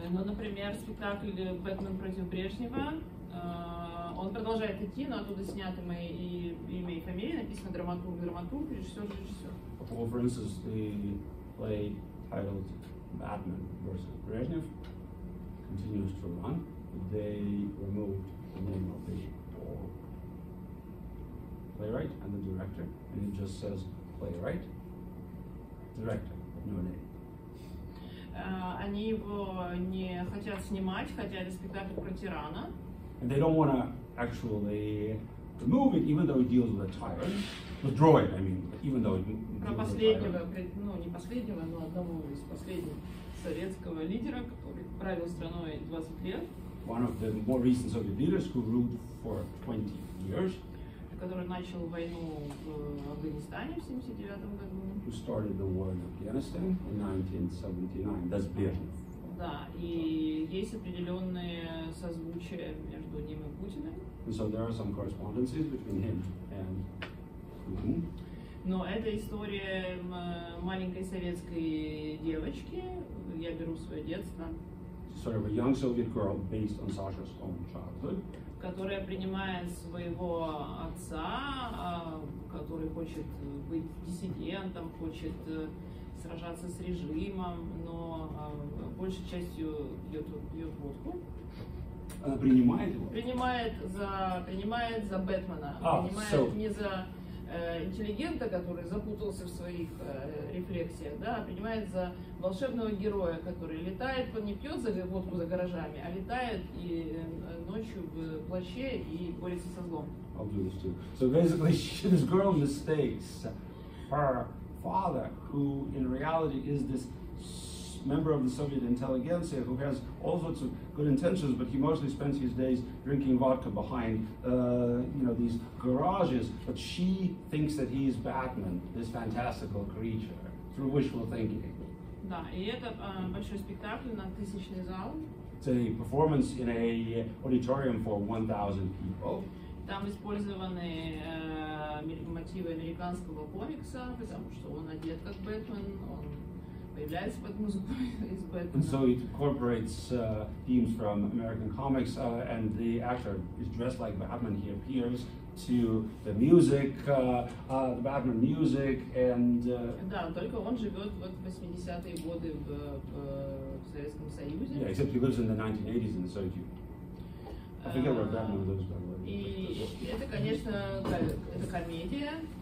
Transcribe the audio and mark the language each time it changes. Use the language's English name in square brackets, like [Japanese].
[Russian] Ну, например, спектакль «Бэтмен против Брежнева», он продолжает идти, но оттуда сняты мои имя и фамилия, написано драматург, режиссер. [English] Or, for instance, the play titled «Бэтмен versus Брежнев» continues to run, they removed the name of the playwright and the director, and it just says playwright, director, no name. [Russian] Они его не хотят снимать, хотя это спектакль про тирана. [English] And they don't want to actually The movie, even though it deals with a tyrant, the drawing, I mean, even though it deals with a tyrant. [Russian] Ну, не последнего, но одного из последних советского лидера, который правил страной 20 лет. [English] One of the more recent Soviet leaders who ruled for 20 years. [Russian] Который начал войну в Афганистане в 79 году. [English] Who started the war in Afghanistan in 1979. That's Brezhnev. [Russian] Да, и есть определенные созвучия между ним и Путиным. [English] And so there are some correspondences between him and Putin. [Russian] Но это история маленькой советской девочки. Я беру свое детство. [English] Sort of a young Soviet girl based on Sasha's own childhood. [Russian] Которая принимает своего отца, который хочет быть диссидентом, хочет сражаться с режимом, но большей частью пьет водку. Принимает его? Принимает за Бэтмена. Не за интеллигента, который запутался в своих рефлексиях, да, принимает за волшебного героя, который летает, он не пьет водку за гаражами, а летает и ночью в плаще и борется со злом. [English] I'll do this too. So basically, this girl mistakes her father, who in reality is this member of the Soviet intelligentsia who has all sorts of good intentions, but he mostly spends his days drinking vodka behind these garages. But she thinks that he is Batman, this fantastical creature, through wishful thinking. [Russian] Да, и это большой спектакль на тысячный зал. [English] It's a performance in a auditorium for 1,000 people. [Russian] Там использованы мотивы американского комикса, потому что он одет как Бэтмен, он появляется под музыку из Бэтмена. [English] And so it incorporates themes from American comics, and the actor is dressed like Batman. He appears to the music, the Batman music, and... [Russian] Да, только он живет в 80-е годы в Советском Союзе. [English] Yeah, except he lives in the 1980s in the Soviet Union. I forget where Batman lives, by the way. [Russian] И это, конечно, это комедия.